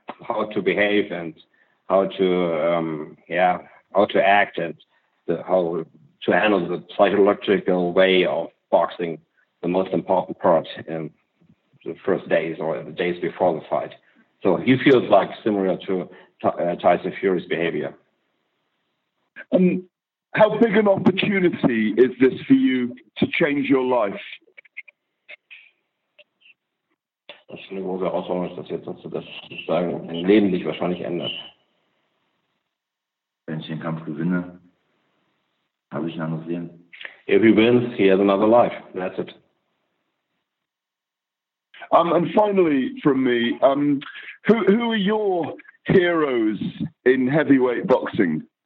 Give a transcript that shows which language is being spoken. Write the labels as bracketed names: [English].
[English] How to behave and how to how to act and how to handle the psychological way of boxing, the most important part in the first days or the days before the fight. So he feels like similar to Tyson Fury's behavior. How big an opportunity is this for you to change your life? [German] Das ist eine große Herausforderung, dass jetzt dass du das sagen, dein Leben sich wahrscheinlich ändert. Wenn ich den Kampf gewinne, habe ich ein anderes Leben. [English] If he wins, he has another life. That's it. And finally from me, who are your heroes in heavyweight boxing?